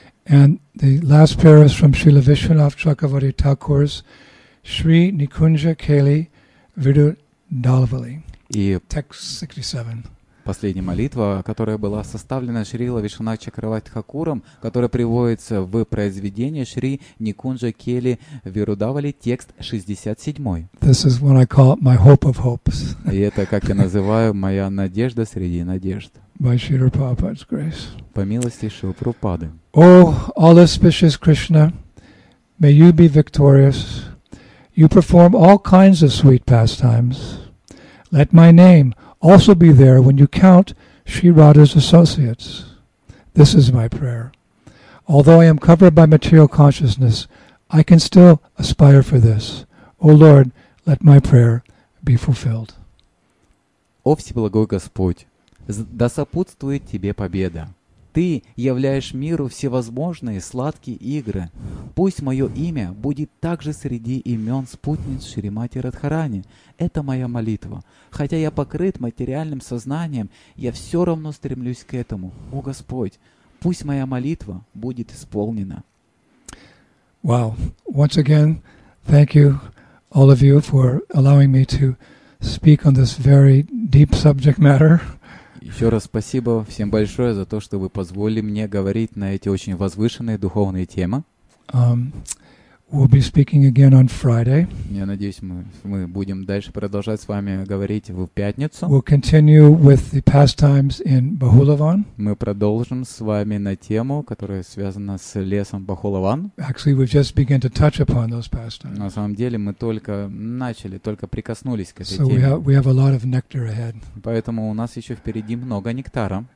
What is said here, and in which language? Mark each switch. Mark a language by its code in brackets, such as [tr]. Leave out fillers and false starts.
[en] And the last prayer is from Srila Vishwanath Chakravarti Thakur's Shri Nikunja Keli Vidu Dalvali. [ru] И [en] text 67. [ru] Последняя молитва, которая была составлена Шрила Вишванатха Чакраварти Хакуром, которая приводится в произведение Шри Никунджа Кели Вирудавали, текст 67. [en] This is what I call my hope of hopes. [ru] И это, как я называю, моя надежда среди надежд. [en] By Shri Prabhupada's grace. [ru] По милости Шрила Прабхупады. [en] О, all auspicious Krishna, may you be victorious. You perform all kinds of sweet pastimes. Let my name also be there when you count Sri Radha's associates. This is my prayer. Although I am covered by material consciousness, I can still aspire for this. O Lord, let my prayer be fulfilled. [ru] О Всеблагой Господь, да сопутствует тебе победа. Ты являешь миру всевозможные сладкие игры. Пусть мое имя будет также среди имен спутниц Шримати Радхарани. Это моя молитва. Хотя я покрыт материальным сознанием, я все равно стремлюсь к этому. О Господь, пусть моя молитва будет исполнена. [en] Wow. Once again, thank you all of you for allowing me to speak on this very deep subject matter. [ru] Еще раз спасибо всем большое за то, что вы позволили мне говорить на эти очень возвышенные духовные темы. [en] We'll be speaking again on Friday. [ru] Я надеюсь, мы будем дальше продолжать с вами говорить в пятницу. [en] We'll continue with the pastimes in Bahulavan. [ru] Мы продолжим с вами на тему, которая связана с лесом Бахулаван. [en] Actually, we've just begun to touch upon those pastimes. [ru] На самом деле, мы только начали, только прикоснулись к этой [en] so [ru] теме. [en] We have a lot of nectar ahead. [ru] Поэтому у нас еще впереди много нектара.